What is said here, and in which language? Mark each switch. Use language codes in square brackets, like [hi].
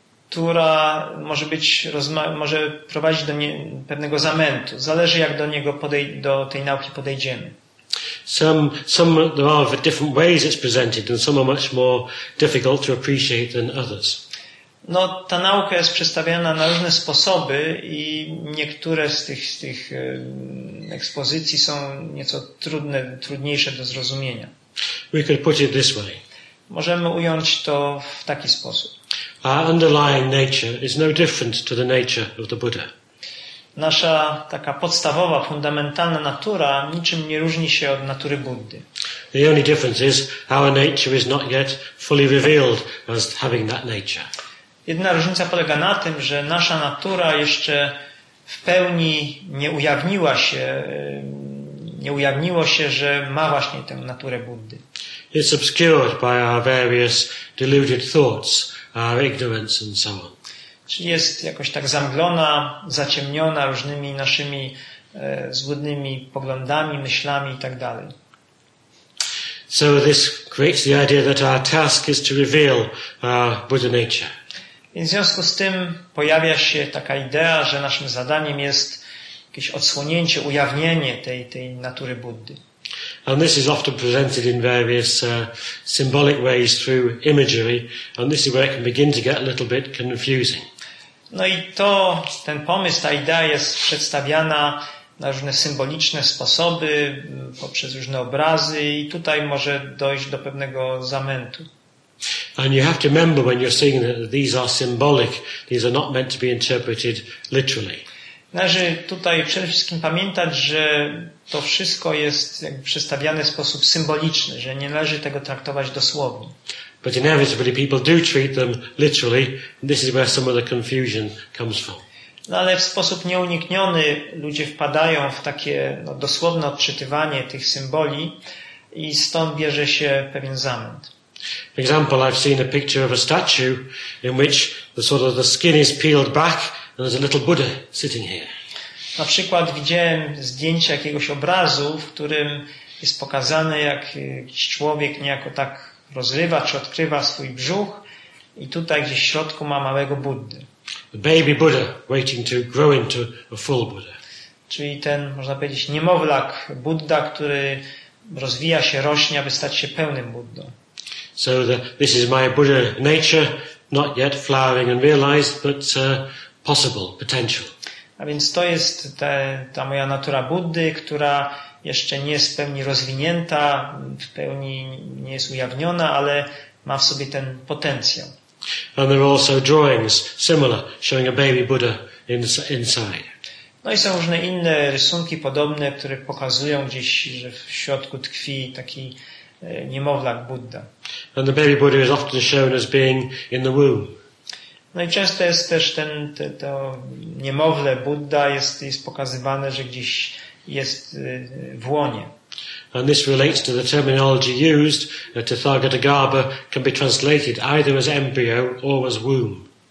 [pl] która może być, może prowadzić do pewnego zamętu. Zależy, jak do niego do tej nauki podejdziemy. [en] Some there are different ways it's presented, and some are much more difficult to appreciate than others. [pl] No, ta nauka jest przedstawiana na różne sposoby i niektóre z tych ekspozycji są nieco trudniejsze do zrozumienia. [en] We could put it this way. [pl] Możemy ująć to w taki sposób. [en] Our underlying nature is no different to the nature of the Buddha. [pl] Nasza taka podstawowa, fundamentalna natura niczym nie różni się od natury Buddy. [en] The only difference is our nature is not yet fully revealed as having that nature. [pl] Jedna różnica polega na tym, że nasza natura jeszcze w pełni nie ujawniła się, nie ujawniło się, że ma właśnie tę naturę Buddy. [en] It's obscured by our various deluded thoughts, our ignorance and so on. [pl] Czyli jest jakoś tak zamglona, zaciemniona różnymi naszymi złudnymi poglądami, myślami i tak dalej. [en] So this creates the idea that our task is to reveal Buddha nature. [pl] I w związku z tym pojawia się taka idea, że naszym zadaniem jest jakieś odsłonięcie, ujawnienie tej natury Buddy. [en] And this is often presented in various symbolic ways through imagery, and this is where it can begin to get a little bit confusing. [pl] No i to, ten pomysł, ta idea jest przedstawiana na różne symboliczne sposoby, poprzez różne obrazy, i tutaj może dojść do pewnego zamętu. [en] And you have to remember when you're seeing that these are symbolic, these are not meant to be interpreted literally. [pl] Należy tutaj przede wszystkim pamiętać, że to wszystko jest przedstawiane w sposób symboliczny, że nie należy tego traktować dosłownie. [en] But inevitably people do treat them literally, and this is where some of the confusion comes from. [pl] No ale w sposób nieunikniony ludzie wpadają w takie dosłowne odczytywanie tych symboli i stąd bierze się pewien zamęt. [en] For example, I've seen a picture of a statue in which the sort of the skin is peeled back and there's a little Buddha sitting here. [pl] Na przykład widziałem zdjęcie jakiegoś obrazu, w którym jest pokazane, jak człowiek niejako tak rozrywa czy odkrywa swój brzuch i tutaj gdzieś w środku ma małego Buddy. [en] The baby Buddha waiting to grow into a full Buddha. [pl] Czyli ten, można powiedzieć, niemowlak Budda, który rozwija się, rośnie, aby stać się pełnym Buddą. [en] So this is my Buddha nature, not yet flowering and realized, but possible, potential. [pl] A więc to jest ta moja natura Buddy, która jeszcze nie jest w pełni rozwinięta, w pełni nie jest ujawniona, ale ma w sobie ten potencjał. [en] And there are also drawings similar, showing a baby Buddha inside. [pl] No i są różne inne rysunki podobne, które pokazują gdzieś, że w środku tkwi taki niemowlak Buddha. [en] And the baby Buddha is often shown as being in the womb. [pl] No i często jest też to niemowlę Buddha jest pokazywane, że gdzieś jest w łonie. [en] And this relates to the terminology used to Tathagatagarbha can be translated either as embryo or as womb.